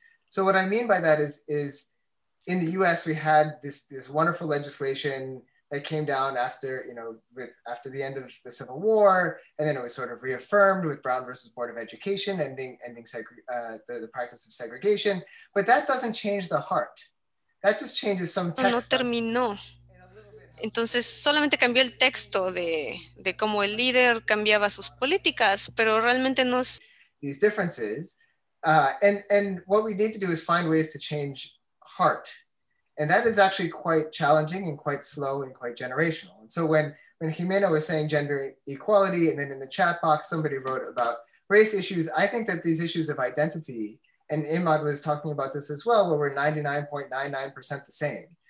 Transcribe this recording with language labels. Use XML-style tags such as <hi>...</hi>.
<en>So what I mean by that is in the US, we had this wonderful legislation that came down after, you know, after the end of the Civil War, and then it was sort of reaffirmed with Brown versus Board of Education, ending the practice of segregation. But that doesn't change the heart. That just changes some text.</en> <es>No terminó. Entonces solamente cambió el texto de cómo el líder cambiaba sus políticas, pero realmente no.</es> <en>These differences, and what we need to do is find ways to change heart. And that is actually quite challenging and quite slow and quite generational. And so when Jimena was saying gender equality, and then in the chat box, somebody wrote about race issues, I think that these issues of identity, and Imad was talking about this as well, where we're 99.99% the same.</en>